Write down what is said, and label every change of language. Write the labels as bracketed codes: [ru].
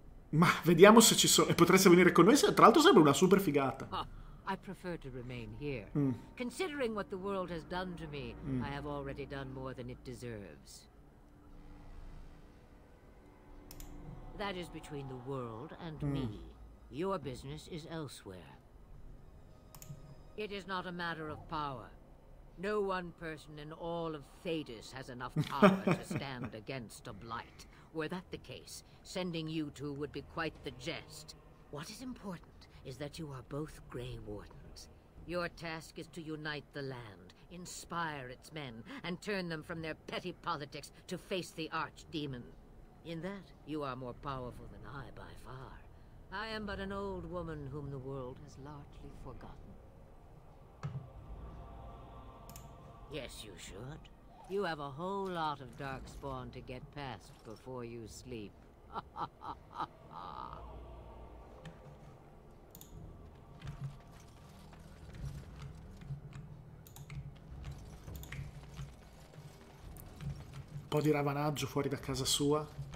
[it] Ma vediamo se ci sono. E potreste venire con noi? Tra l'altro sarebbe una super figata. [en] I prefer to remain here. Considering what the world has done to me, I have already done more than it deserves. That is between the world and me. Your business is elsewhere. It is not a matter of power. No one person in all of Thedas has enough power to stand against a blight. Were that the case, sending you two would be quite the jest. What is important is that you are both Grey Wardens. Your task is to unite the land, inspire its men, and turn them from their petty politics to face the Archdemon. In that, you are more powerful than I by far. I am but an old woman whom the world has largely forgotten. Yes, you should. You have a whole lot of darkspawn to get past before you sleep. [it] Un po' di ravanaggio fuori da casa sua?